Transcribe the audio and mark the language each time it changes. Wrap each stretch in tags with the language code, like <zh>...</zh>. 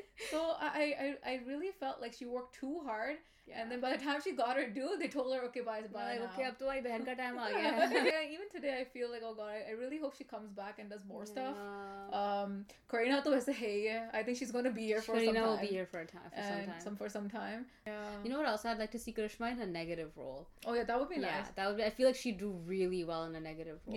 <en>So I really felt like she worked too hard. Yeah. And then by the time she got her due, they told her, okay, bye. Like, okay,</en> <hi>अब तो आई बहन का time आ गया.</hi> <en>Even today, I feel like, oh God, I really hope she comes back and does more stuff.</en> <hi>Kareena to waise hai.</hi> <en>I think she's going to be here for some time. Kareena will be here for a time. For some time. Yeah. You know what else? I'd like to see Karishma in a negative role. Oh yeah, that would be nice. Yeah, that would be. I feel like she'd do really well in a negative role.</en>